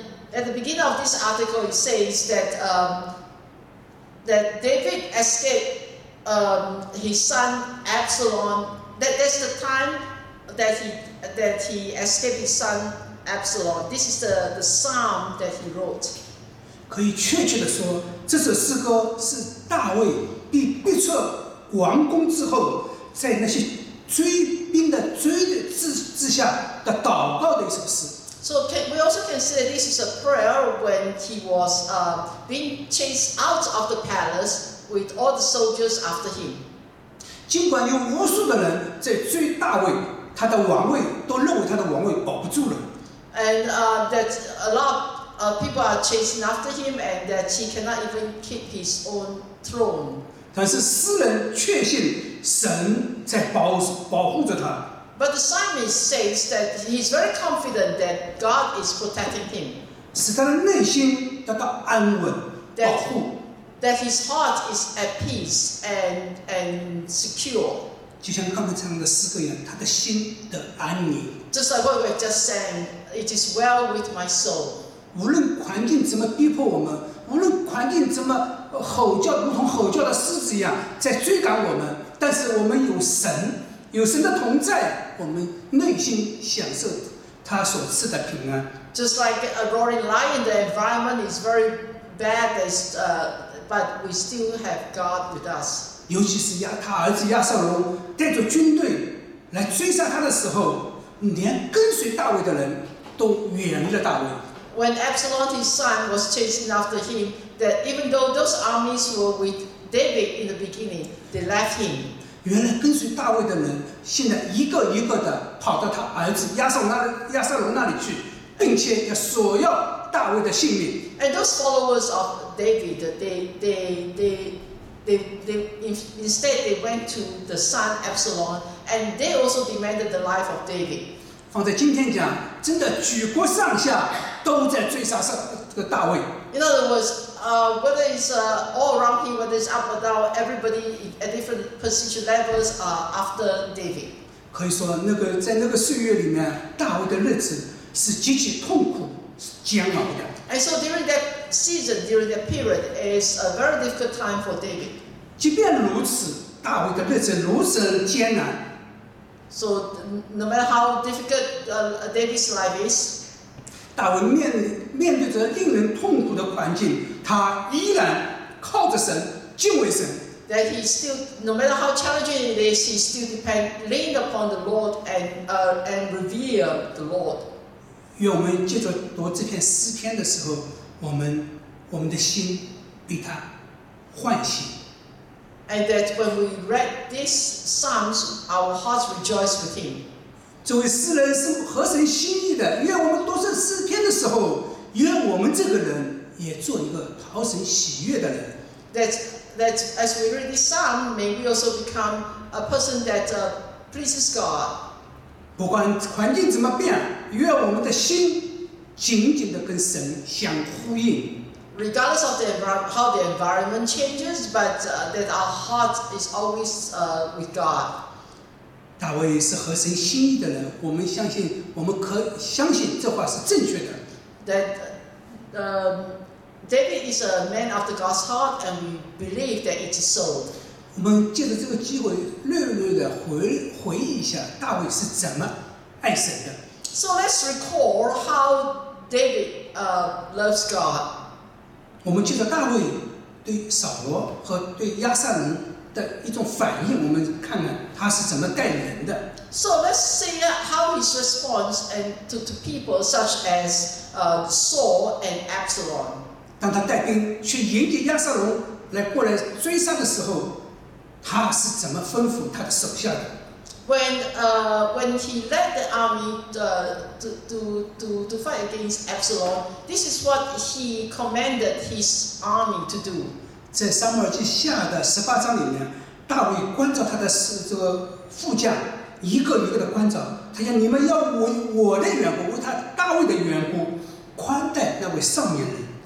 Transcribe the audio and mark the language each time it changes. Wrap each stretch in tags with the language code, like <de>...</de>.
<en>At the beginning of this article, it says that that David escaped. His son Absalom. That's the time that he escaped his son Absalom. This is the psalm that he wrote.</en> <zh>可以确切地说，这首诗歌是大卫被逼出王宫之后，在那些追兵的追的之下的祷告的一首诗。</zh> <en>So we also can say that this is a prayer when he was being chased out of the palace. With all the soldiers after him.</en> <zh>尽管有无数的人在追大卫，他的王位都认为他的王位保不住了。</zh> <en>And that a lot people are chasing after him, and that he cannot even keep his own throne.</en> <zh>但是诗人确信神在保护着他。</zh> <en>But the psalmist says that he is very confident that God is protecting him.</en> <zh>使他的内心得到安稳、保护。</zh> <en>That his heart is at peace and secure.</en> <zh>就像刚才唱的诗歌一样，他的心得安宁。</zh> <en>Just like what we were just saying, it is well with my soul.</en> <zh>无论环境怎么逼迫我们，无论环境怎么吼叫，如同吼叫的狮子一样在追赶我们，但是我们有神，有神的同在，我们内心享受他所赐的平安。</zh> <en>Just like a roaring lion, the environment is very bad, but we still have God with us.</en> <zh>尤其是他儿子亚撒龙带着军队来追杀他的时候，连跟随大卫的人都远离了大卫。</zh> <en>When Absalom his son was chasing after him, that even though those armies were with David in the beginning, they left him.</en> <zh>原来跟随大卫的人现在一个一个的跑到他儿子亚撒龙那里去，并且要索要大卫的性命。</zh> <en>And those followers of David, they instead they went to the son Absalom, and they also demanded the life of David.</en> <zh>放在今天讲，真的举国上下都在追杀大卫。</zh> <en>In other words, whether it's all around him, whether it's up or down, everybody at different position levels are after David.</en> <zh>可以说，那个在那个岁月里面，大卫的日子是极其痛苦、煎熬的。</zh> <en>And so during that season, during that period, is a very difficult time for David.</en> <zh>即便如此，大卫的日子如此艰难。</zh> <en>So no matter how difficult David's life is,</en> <zh>大卫面对着令人痛苦的环境，他依然靠着神，敬畏神。</zh> <en>That he still, no matter how challenging it is, he still leaned upon the Lord and revere the Lord.</en> <zh>愿我们借着读这篇诗篇的时候，我们的心被他唤醒。</zh> <en>And that when we read these psalms, our hearts rejoice with him.</en> <zh>这位诗人是合神心意的。愿我们读这诗篇的时候，愿我们这个人也做一个讨神喜悦的人。</zh> <en>That as we read this psalm, may we also become a person that pleases God.</en> <zh>不管环境怎么变，愿我们的心紧紧地跟神相呼应。</zh> <en>Regardless of how the environment changes, but that our heart is always with God.</en> <zh>大卫是合神心意的人，我们相信，我们可相信这话是正确的。</zh> <en>That David is a man after God's heart, and we believe that it is so.</en> <zh>我们借着这个机会，略略的回忆一下大卫是怎么爱神的。</zh> <en>So let's recall how David loves God.</en> <zh>我们记得大卫对扫罗和对亚撒龙的一种反应，我们看看他是怎么待人的。</zh> <en>So let's see how his response and to people such as Saul and Absalom.</en> <zh>当他带兵去迎接亚撒龙来过来追杀的时候，他是怎么吩咐他的手下的？</zh> <en>When he led the army to fight against Absalom, this is what he commanded his army to do.</en> <zh>在撒母耳记下的十八章里面，大卫关照他的这个副将，一个一个的关照，他讲你们要为我的缘故，为他大卫的缘故，宽待那位上面人。</zh>